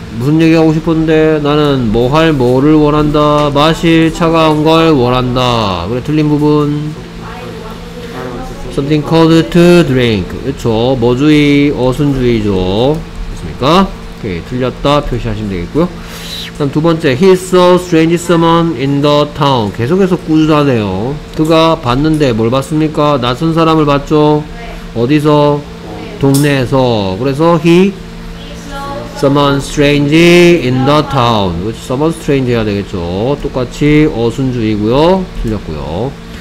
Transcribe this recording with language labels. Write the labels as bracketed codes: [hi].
[ko] 무슨 얘기하고 싶은데 나는 뭐 할 뭐를 원한다. 마실 차가운 걸 원한다. 그래 틀린 부분. [en] Something called to drink. [ko] 그렇죠. 뭐주의 어순주의죠. 됐습니까? 오케이 틀렸다 표시하시면 되겠고요. 그럼 두 번째, [en] he's a strange someone in the town. [ko] 계속해서 꾸준하네요. 그가 봤는데 뭘 봤습니까? 낯선 사람을 봤죠. 네. 어디서? 네. 동네에서. 그래서 [en] he someone strange in the town. [ko] 그렇지, someone strange 해야 되겠죠. 똑같이 어순주의고요. 틀렸고요.